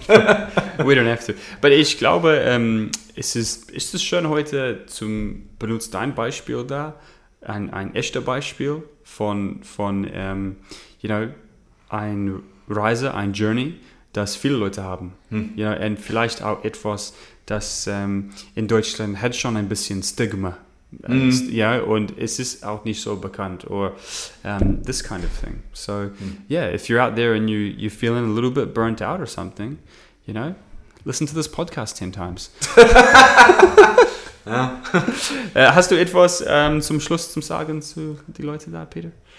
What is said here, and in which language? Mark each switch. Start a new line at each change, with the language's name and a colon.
English: We don't have to.
German: But ich glaube, ist es schön heute zum benutzt dein Beispiel da, ein echter Beispiel von ein Reise, ein Journey, das viele Leute haben. Und vielleicht auch etwas, dass in Deutschland hat schon ein bisschen Stigma. Und es ist auch nicht so bekannt.
English: Or this kind of thing. So, if you're out there and you're feeling a little bit burnt out or something, listen to this podcast 10 times.
German: Hast du etwas zum Schluss zum Sagen zu die Leute da, Peter?